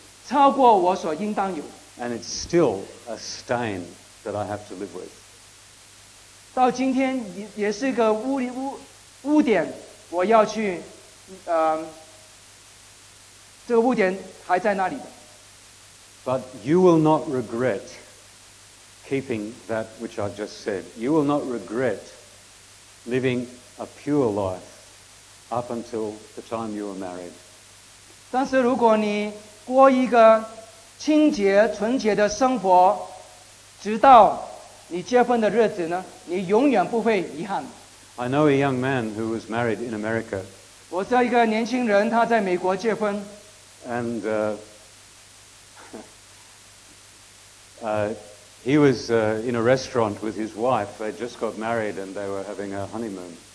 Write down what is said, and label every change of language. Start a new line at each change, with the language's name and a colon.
Chinese: 我没有犯淫乱，但是呢，在我结婚之前呢，是跟我的妻子呢，有一个亲密的关系，是超过我所应当有。
English: And it's still a stain that I have to live with.
Chinese: 到今天也是个污点，我要去，这个污点还在那里。
English: But you will not regret keeping that which I've just said. You will not regret living a pure life up until the time you are married.
Chinese: 但是如果你过一个清洁纯洁的生活，直到你结婚的日子呢，你永远不会遗憾。
English: I know a young man who was married in America.
Chinese: 我知道一个年轻人，他在美国结婚。
English: And He was in a restaurant with his wife. They just got married and they were having a honeymoon.